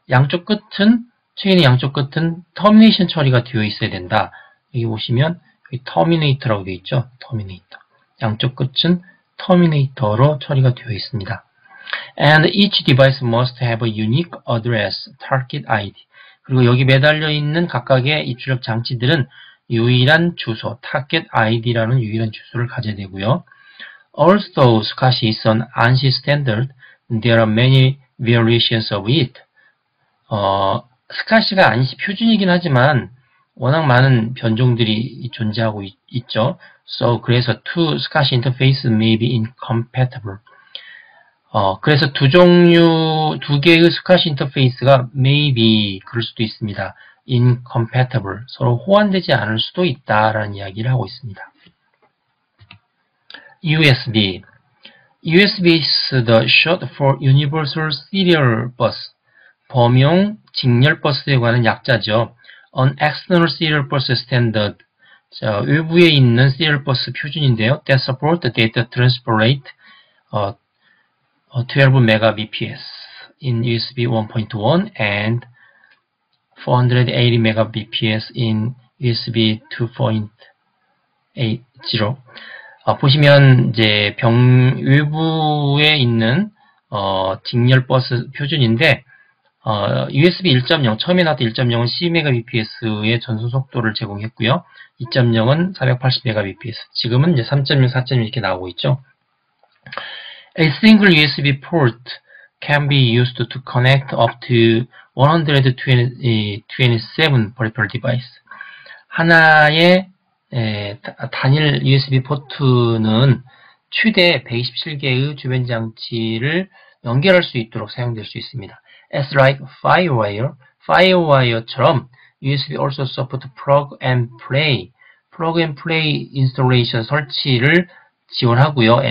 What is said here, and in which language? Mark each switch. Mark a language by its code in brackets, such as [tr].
[ko] 양쪽 끝은 체인의 양쪽 끝은 termination 처리가 되어 있어야 된다. 여기 보시면 여기 Terminator라고 되어 있죠. Terminator. 양쪽 끝은 Terminator로 처리가 되어 있습니다. [en] And each device must have a unique address, target ID. [ko] 그리고 여기 매달려 있는 각각의 입출력 장치들은 유일한 주소, target ID라는 유일한 주소를 가져야 되고요. [en] Also, SCSI is an ANSI standard. There are many variations of it. [ko] SCSI가 ANSI 표준이긴 하지만 워낙 많은 변종들이 존재하고 있죠. [en] So, [ko] 그래서 [en] two SCSI interfaces may be incompatible. [ko] 그래서 두 개의 SCSI 인터페이스가 maybe 그럴 수도 있습니다. [en] incompatible. [ko] 서로 호환되지 않을 수도 있다라는 이야기를 하고 있습니다. [en] USB. USB is the short for Universal Serial Bus. [ko] 범용 직렬 버스에 관한 약자죠. [en] An external serial bus standard. [ko] 자, 외부에 있는 serial bus 표준인데요. [en] That support the data transfer rate. 12 Mbps in USB 1.1 and 480 Mbps in USB 2.80. [ko] 보시면 이제 외부에 있는 직렬 버스 표준인데 USB 1.0 처음에 나왔던 1.0은 10Mbps의 전송 속도를 제공했고요. 2.0은 480 Mbps. 지금은 이제 3.0, 4.0 이렇게 나오고 있죠. [en] A single USB port can be used to connect up to 127 peripheral device. [ko] 하나의 단일 USB 포트는 최대 127개의 주변 장치를 연결할 수 있도록 사용될 수 있습니다. [en] As like FireWire, FireWire처럼 USB also support plug and play, plug and play installation [ko] 설치를 지원하고요.